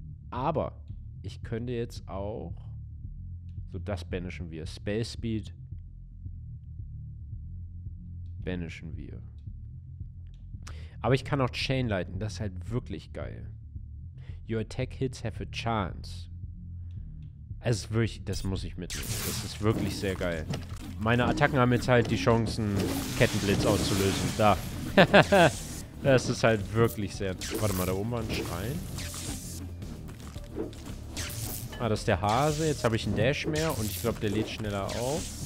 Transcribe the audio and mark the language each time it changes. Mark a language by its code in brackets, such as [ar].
[de] Aber ich könnte jetzt auch... So, das banishen wir. Space Speed banishen wir. Aber ich kann auch Chain Lighten, das ist halt wirklich geil. [en] Your attack hits have a chance. [de] Es ist wirklich, das muss ich mitnehmen. Das ist wirklich sehr geil. Meine Attacken haben jetzt halt die Chancen, Kettenblitz auszulösen. Da. Das ist halt wirklich sehr... Warte mal, da oben war ein Schrein. Ah, das ist der Hase. Jetzt habe ich einen Dash mehr und ich glaube, der lädt schneller auf.